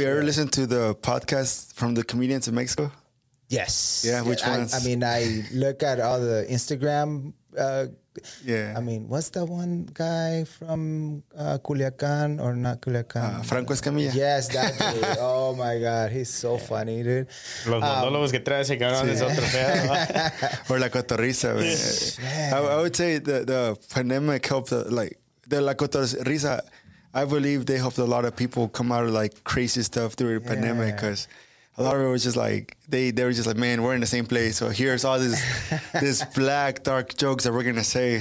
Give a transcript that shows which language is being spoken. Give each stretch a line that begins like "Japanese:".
English: Have you ever listened to the podcast from the Comedians of Mexico? Yes. Yeah, which ones? I mean, I look at all the Instagram. I mean, what's that one guy from Culiacan or not Culiacan? Franco Escamilla. Yes, that dude. Oh, my God. He's so funny, dude.
Spanish: Los monólogos que trae ese cabrón es otro pedo.
English: Or La Cotorrisa. I would say the pandemic helped, like, the La Cotorrisa, I believe they helped a lot of people come out of, like, crazy stuff during the pandemic because a lot of it was just like, they were just like, man, we're in the same place. So here's all this this black, dark jokes that we're going to say.